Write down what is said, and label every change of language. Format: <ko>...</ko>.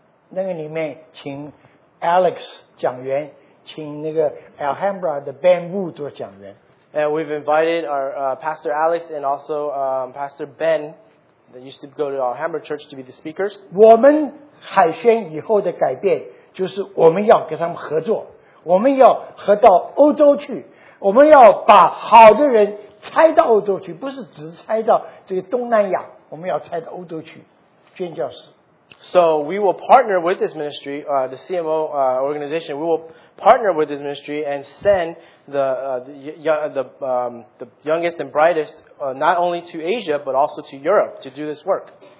<zh>那个里面请 Alex 讲员，请那个 Alhambra 的 Ben Wu 做讲员。</zh> <en>And we've invited our Pastor Alex and also Pastor Ben that used to go to our Hammer Church to be the speakers.</en> <zh>我们海宣以后的改变就是我们要跟他们合作，我们要合到欧洲去，我们要把好的人拆到欧洲去，不是只拆到这个东南亚，我们要拆到欧洲去，宣教士。</zh> <en>So we will partner with this ministry, the CMO organization. We will partner with this ministry and send the youngest and brightest not only to Asia but also to Europe to do this work.</en>